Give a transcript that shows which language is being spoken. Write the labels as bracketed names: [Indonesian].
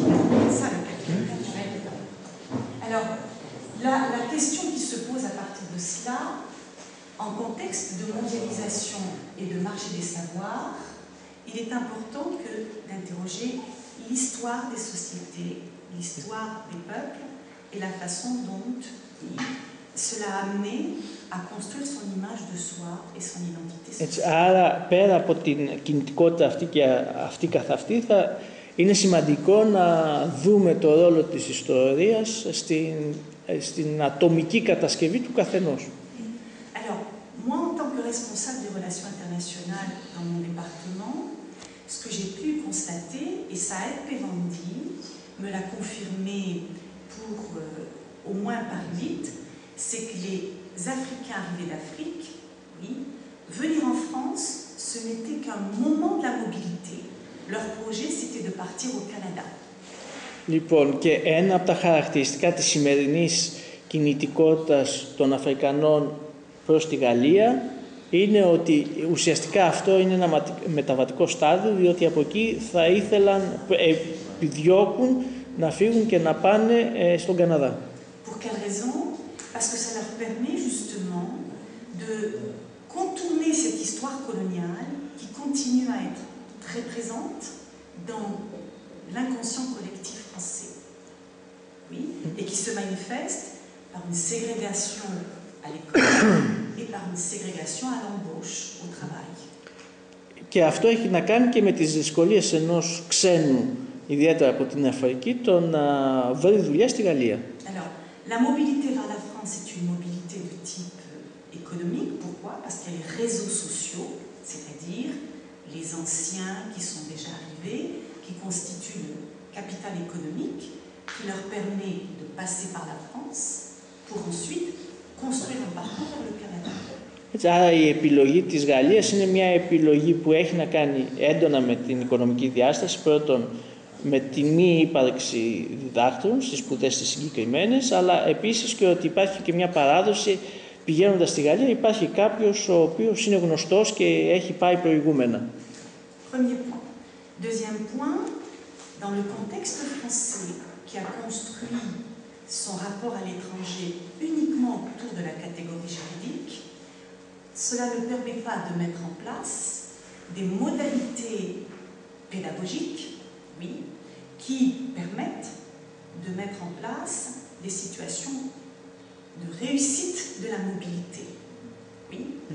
[French] C'est ça le capital culturel. Alors, la question qui se pose à partir de cela, en contexte de mondialisation et de marché des savoirs, il est important d'interroger l'histoire des sociétés, l'histoire des peuples et la façon dont cela a amené à construire son image de soi et son identité. [Greek] Έτσι, άρα, πέρα από την κινητικότητα αυτή και αυτή καθ' αυτή, είναι σημαντικό να δούμε το ρόλο της ιστορίας στην ατομική κατασκευή του καθενός. [French] Alors, moi, en tant que responsable des relations internationales dans mon département, ce que j'ai pu constater, et ça a été vendu, me l'a confirmé pour au moins par 8, c'est que les Africains arrivés d'Afrique, oui, venir en France, ce n'était qu'un moment de la mobilité. Leur projet, c'était de partir au Canada. [Greek] Λοιπόν, και ένα από τα χαρακτηριστικά της σημερινής κινητικότητας των Αφρικανών προς τη Γαλλία είναι ότι ουσιαστικά αυτό είναι ένα μεταβατικό στάδιο, διότι από εκεί θα ήθελαν, επιδιώκουν να φύγουν και να πάνε στον Καναδά. [French] Pour quelle raison? Parce que ça leur permet justement de contourner cette histoire coloniale qui continue à être très présente dans l'inconscient collectif français. Oui, et qui se manifeste par une ségrégation à l'école et par une ségrégation à l'embauche au travail. [Greek] Και αυτό έχει να κάνει και με τις δυσκολίες ενός ξένου, ιδιαίτερα από την Αφρική, το να βρει δουλειά στη Γαλλία. [French] Alors, la mobilité vers la France est une mobilité de type économique. Pourquoi? Parce qu'il y a les réseaux sociaux, c'est-à-dire les anciens qui sont déjà arrivés, qui constituent le capital économique, qui leur permet de passer par la France pour ensuite construire un parcours vers le Canada. [Greek] Έτσι, άρα η επιλογή της Γαλλίας είναι μια επιλογή που έχει να κάνει έντονα με την οικονομική διάσταση, πρώτον με τη μη ύπαρξη διδάκτρων στις σπουδές τις συγκεκριμένες, αλλά επίσης και ότι υπάρχει και μια παράδοση πηγαίνοντας στη Γαλλία, υπάρχει κάποιος ο οποίος είναι γνωστός και έχει πάει προηγούμενα. [French] Premier point. Deuxième point, dans le contexte français qui a construit son rapport à l'étranger uniquement autour de la catégorie juridique, cela ne permet pas de mettre en place des modalités pédagogiques, oui, qui permettent de mettre en place des situations de réussite de la mobilité. Oui.